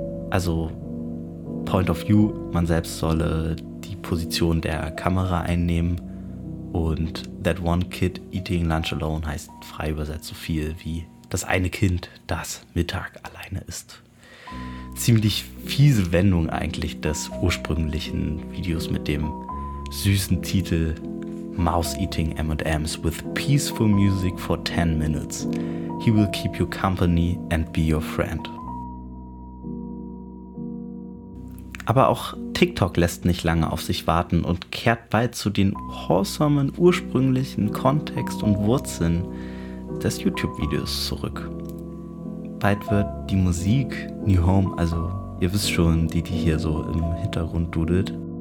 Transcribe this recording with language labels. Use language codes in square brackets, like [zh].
[de] Also Point of View, man selbst solle die Position der Kamera einnehmen und That One Kid Eating Lunch Alone heißt frei übersetzt so viel wie das eine Kind, das Mittag alleine isst. Ziemlich fiese Wendung eigentlich des ursprünglichen Videos mit dem süßen Titel Mouse Eating M&M's with Peaceful Music for 10 Minutes. [en] He will keep you company and be your friend. [de] Aber auch TikTok lässt nicht lange auf sich warten und kehrt bald zu den wholesomen ursprünglichen Kontext und Wurzeln des YouTube-Videos zurück. Bald wird die Musik New Home, also ihr wisst schon, die hier so im Hintergrund dudelt.